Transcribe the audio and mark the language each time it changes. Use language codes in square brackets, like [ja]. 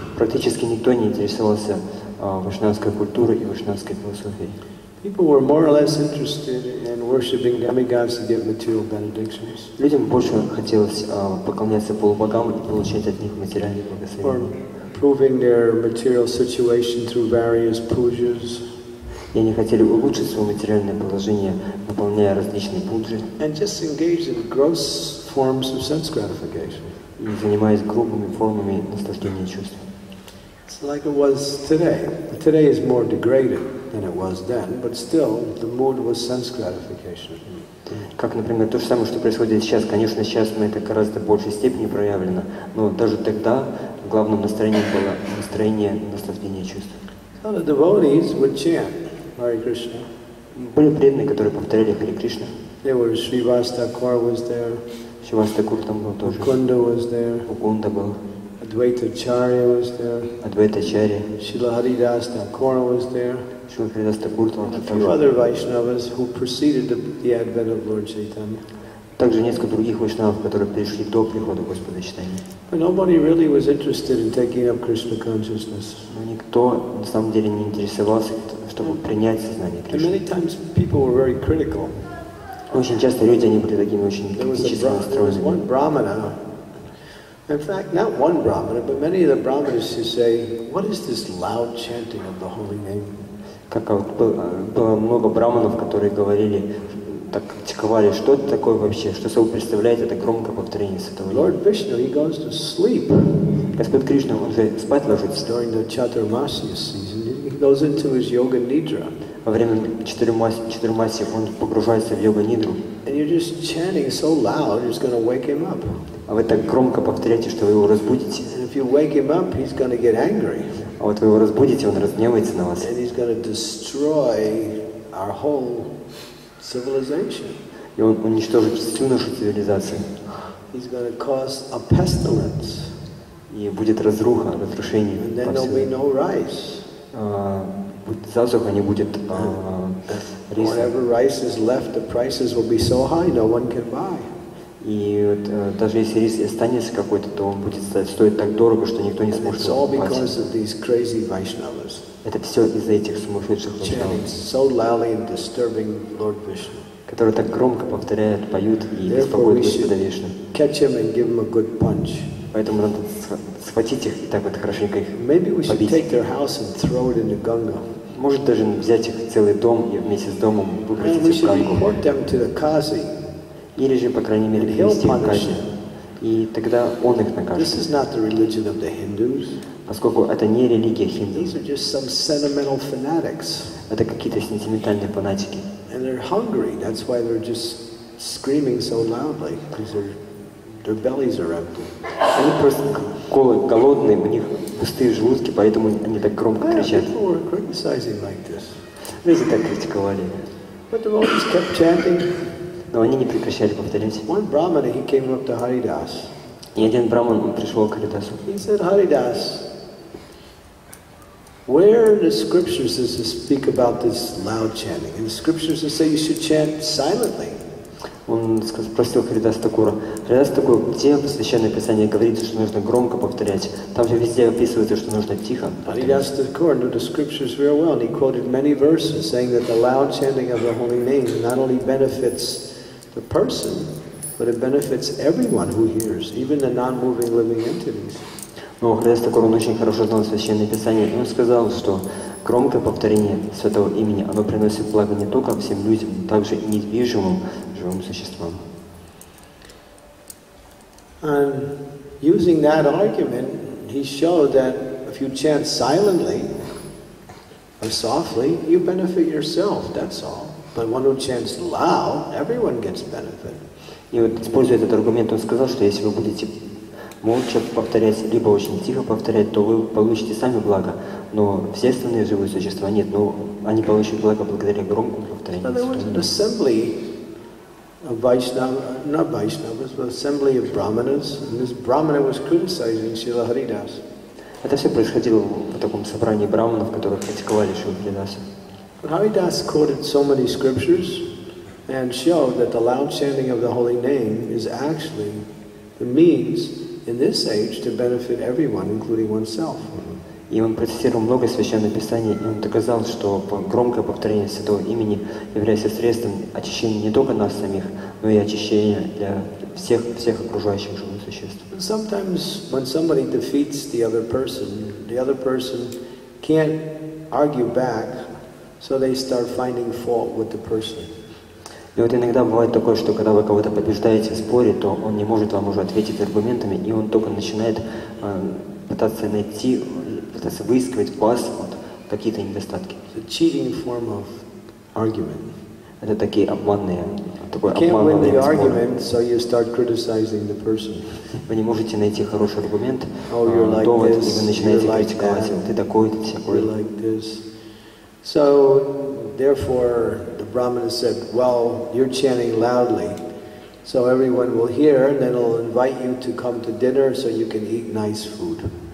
[ru] Практически никто не интересовался вайшнавской культурой и вайшнавской философией. [en] People were more or less interested in worshiping demigods to get material benedictions. [ru] Людям больше хотелось поклоняться полубогам и получать от них материальные благословения. [en] Or proving their material situation through various pujas. [ru] И они хотели улучшить свое материальное положение, выполняя различные пуджи. [en] And just engage in gross forms of sense gratification. [ru] И занимаясь грубыми формами наслаждения чувств. [en] It's like it was today. Today is more degraded than it was then, but still the mood was sense gratification. [ru] Как, например, то же самое, что происходит сейчас. Конечно, сейчас мы это гораздо в большей степени проявлено, но даже тогда главным настроением было настроение наслаждения чувств. [en] So the devotees would chant Hare Krishna. [ru] Были преданные, которые повторяли Hare Krishna. [en] There was Srivas Thakur was there. [ru] Srivas Thakur там был тоже. [en] Ukunda was there. [ru] Ukunda был. [en] Advaita Acharya was there. [ru] Advaita Acharya. [en] Srila Haridas Thakur was there. [ru] Srila Haridas Thakur там тоже. [en] A few other Vaishnavas who preceded the advent of Lord Chaitanya. [ru] Также несколько других вайшнавов, которые пришли до прихода Господа Чайтаньи. [en] But nobody really was interested in taking up Krishna consciousness. [ru] Но никто на самом деле не интересовался, чтобы принять сознание Кришны. [en] And many times people were very critical. [ru] Очень часто люди, они были такими очень критически настроенными. [en] There was one brahmana. In fact, not one brahmana, but many of the brahmanas who say, "What is this loud chanting of the holy name?" [ru] Как было много брахманов, которые говорили. Так критиковали, что это такое вообще, что собой представляет это громкое повторение святого имени. [en] Lord Vishnu, he goes to sleep. [ru] Господь Кришна, он же спать ложится. [en] During the Chaturmasya season, he goes into his yoga nidra. [ru] Во время Чатурмасии он погружается в йога нидру. [en] And you're just chanting so loud, it's going to wake him up. [ru] А вы так громко повторяете, что вы его разбудите. [en] And if you wake him up, he's going to get angry. [ru] А вот вы его разбудите, он разгневается на вас. [en] And he's going to destroy our whole civilization. [ru] И он уничтожит всю нашу цивилизацию. [en] He's going to cause a pestilence. [ru] И будет разруха, разрушение. [en] And then there'll be no rice. [ru] Будет засуха, не будет риса. [en] Whatever rice is left, the prices will be so high, no one can buy. [ru] И вот даже если рис останется какой-то, то он будет стоить так дорого, что никто не сможет его покупать. [en] It's all because of these crazy Vaishnavas. [ru] Это все из-за этих сумасшедших вайшнавов, которые так громко повторяют, поют и беспокоят Господа Вишну. [en] Catch him and give him a good punch. [ru] Поэтому надо схватить их и так вот хорошенько их побить. [en] Maybe we should take their house and throw it in the Ganga. [ru] Может даже взять их целый дом и вместе с домом выбросить их в Гангу. [en] We should report them to the Kazi. [ru] Или же, по крайней мере, привести их к казни. И тогда он их накажет. [en] This is not the religion of the Hindus. [ru] Поскольку это не религия хинду. [en] These are just some sentimental fanatics. [ru] Это какие-то сентиментальные фанатики. [en] And they're hungry. That's why they're just screaming so loudly. Because their bellies are empty. [ru] Они просто голодные, у них пустые желудки, поэтому они так громко кричат. [en] Yeah, people were criticizing like this. [ru] Люди так критиковали. [en] But they always kept chanting. [ru] Но они не прекращали повторять. [en] One brahmana, he came up to Haridas. [ru] И один брахман пришел к Харидасу. [en] He said, Haridas, where in the scriptures does it speak about this loud chanting? In the scriptures it says you should chant silently. [ru] Он спросил Харидаса Такура. Харидас Такур, где в Священном Писании говорится, что нужно громко повторять? Там же везде описывается, что нужно тихо. [en] Харидас Такур knew the scriptures very well, and he quoted many verses saying that the loud chanting of the holy name not only benefits the person, but it benefits everyone who hears, even the non-moving living entities. [ru] Но Харидас Такур очень хорошо знал Священное Писание, и он сказал, что громкое повторение Святого Имени, оно приносит благо не только всем людям, но также и недвижимым живым существам. [en] And using that argument, he showed that if you chant silently or softly, you benefit yourself, that's all. But one who chants loud, everyone gets benefit. [ru] И вот, используя этот аргумент, он сказал, что если вы будете молча повторять, либо очень тихо повторять, то вы получите сами благо. Но все остальные живые существа нет, но они получат благо благодаря громкому повторению. [en] There was an assembly of Vaishnavas, not Vaishnavas, but assembly of Brahmanas, and this Brahmana was criticizing Srila Haridas. [ru] Это все происходило в таком собрании Брахманов, которые критиковали Шрилу Харидаса. [en] But Haridas quoted so many scriptures and showed that the loud chanting of the holy name is actually the means in this age to benefit everyone, including oneself. [ru] И он процитировал много священных писаний, и он доказал, что громкое повторение святого имени является средством очищения не только нас самих, но и очищения для всех, всех окружающих живых существ. [en] Sometimes when somebody defeats the other person can't argue back, so they start finding fault with the person. [ru] И вот иногда бывает такое, что когда вы кого-то побеждаете в споре, то он не может вам уже ответить аргументами, и он только начинает пытаться найти, пытаться выискивать в вас вот какие-то недостатки. [en] It's a cheating form of argument. [ru] Это такие обманные, такой обманный спор. [en] You can't win the argument, so you start criticizing the person. [ru] Вы не можете найти хороший аргумент, довод, и вы начинаете критиковать его. Ты такой, ты такой. [en] You're like this. So, therefore, the Brahmana said, well, you're chanting loudly, so everyone will hear, and then I'll invite you to come to dinner so you can eat nice food.